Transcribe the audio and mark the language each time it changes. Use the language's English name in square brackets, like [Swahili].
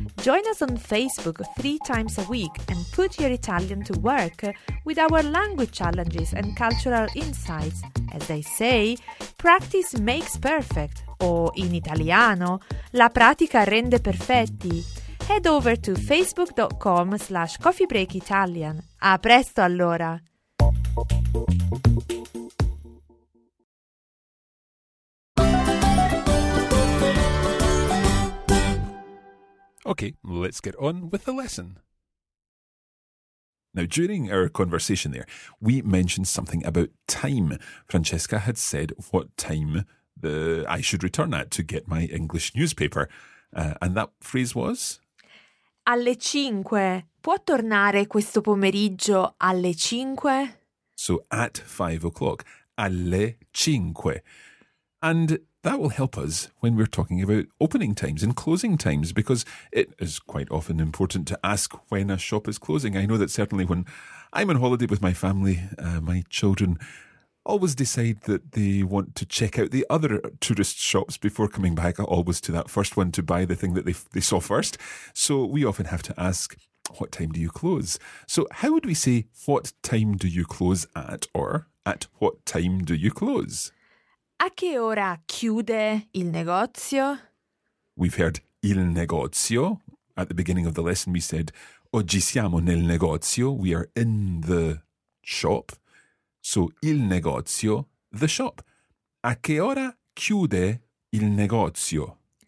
[English] Join us on Facebook 3 times a week and put your Italian to work with our language challenges and cultural insights. As they say, practice makes perfect. [Italian] O in italiano, la pratica rende perfetti. [English] Head over to facebook.com/coffeebreakitalian. [Italian] A presto allora! [English] Thank you. Okay, let's get on with the lesson. Now, during our conversation there, we mentioned something about time. Francesca had said what time I should return at to get my English newspaper. And that phrase was? [Italian] Alle cinque. Può tornare questo pomeriggio alle cinque? [English] So, at 5 o'clock. [Italian] Alle cinque. [English] And that will help us when we're talking about opening times and closing times, because it is quite often important to ask when a shop is closing. I know that certainly when I'm on holiday with my family, my children always decide that they want to check out the other tourist shops before coming back, always to that first one to buy the thing that they saw first. So we often have to ask, what time do you close? So how would we say, what time do you close at, or at what time do you close? [Italian] A che ora chiude il negozio? [English] We've heard il negozio. At the beginning of the lesson we said, [Italian] oggi siamo nel negozio. [English] We are in the shop. So, il negozio, the shop. [Italian] A che ora chiude il negozio?